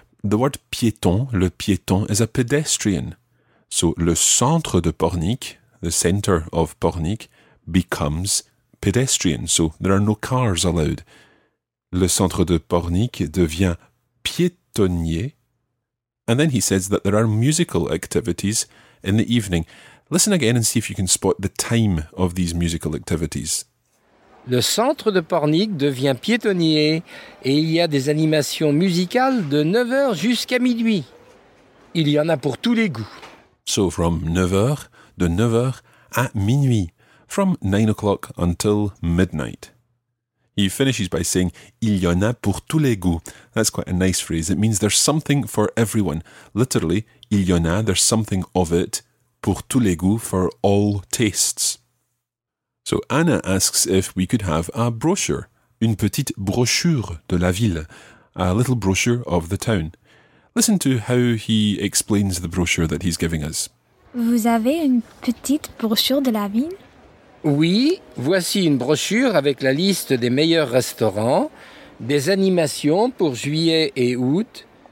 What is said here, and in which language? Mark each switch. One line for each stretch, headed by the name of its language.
English: The word piéton, le piéton, is a pedestrian. So, le centre de Pornic, the centre of Pornic, becomes pedestrian. So, there are no cars allowed.
French: Le centre de Pornic devient piétonnier.
English: And then he says that there are musical activities in the evening. Listen again and see if you can spot the time of these musical activities.
French: Le centre de Pornic devient piétonnier et il y a des animations musicales de 9h jusqu'à minuit. Il y en a pour tous les goûts.
English: So from 9h,
French: de 9h à minuit.
English: From 9 o'clock until midnight. He finishes by saying,
French: il y en a pour tous les goûts.
English: That's quite a nice phrase. It means there's something for everyone. Literally,
French: il y en a,
English: there's something of it,
French: pour tous les goûts,
English: for all tastes. So Anna asks if we could have a brochure,
French: une petite brochure de la ville,
English: a little brochure of the town. Listen to how he explains the brochure that he's giving us.
French: Vous avez une petite brochure de la ville? Oui, voici une brochure avec la liste des meilleurs restaurants, des animations pour juillet et août.